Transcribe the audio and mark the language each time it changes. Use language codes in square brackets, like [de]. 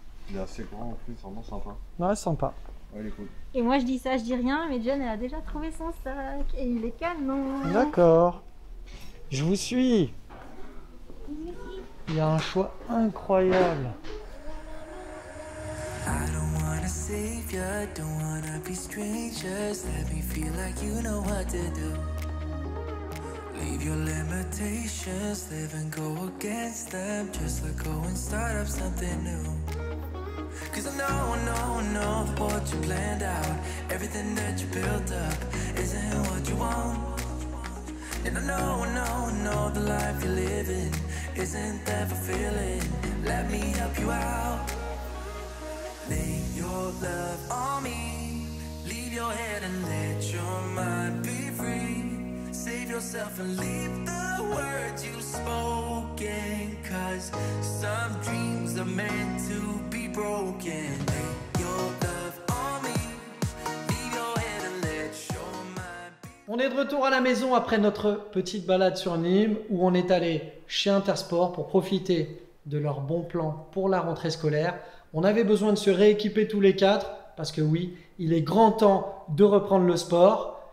[fr] Il est assez grand en plus, c'est vraiment sympa. Ouais, sympa. Ouais, il est cool. Et moi, je dis ça, je dis rien, mais John, elle a déjà trouvé son sac. Et il est canon. D'accord. Je vous suis. Il y a un choix incroyable. [en] I don't wanna save ya, don't wanna be strangers. Let me feel like you know what to do. Leave your limitations, live and go against them. Just let go and start up something new. Cause I know what you planned out. Everything that you built up isn't what you want. And I know the life you're living. Isn't that fulfilling? Let me help you out. Lay your love on me. Leave your head and let your mind be free. Save yourself and leave the words you've spoken. Cause some dreams are meant to be broken. Lay your love on me. Leave your head and let your mind be free. [fr] On est de retour à la maison après notre petite balade sur Nîmes où on est allé chez Intersport pour profiter de leur bon plan pour la rentrée scolaire. On avait besoin de se rééquiper tous les quatre parce que oui, il est grand temps de reprendre le sport.